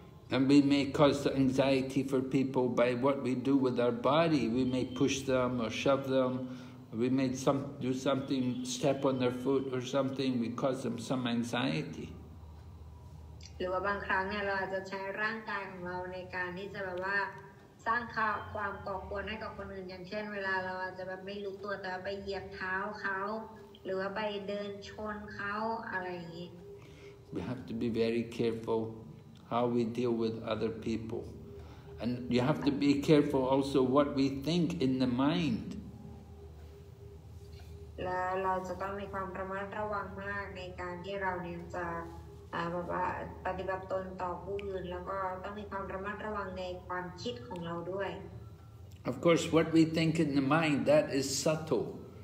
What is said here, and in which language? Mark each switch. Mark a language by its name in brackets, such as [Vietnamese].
[English] And we may cause the anxiety for people by what we do with our body. We may push them or shove them. We may do something, step on their foot or something. We cause them some anxiety. [Thai] หรือว่าบางครั้งเนี่ยเราอาจจะใช้ร่างกายของเราในการที่จะแบบว่าสร้างความก่อกวนให้กับคนอื่นอย่างเช่นเวลาเราอาจจะแบบไม่รู้ตัวแต่ไปเหยียบเท้าเขาหรือว่าไปเดินชนเขาอะไรอย่างนี้ [English] We have to be very careful how we deal with other people. And you have to be careful also what we think in the mind. Of course, what we think in the mind, that is subtle.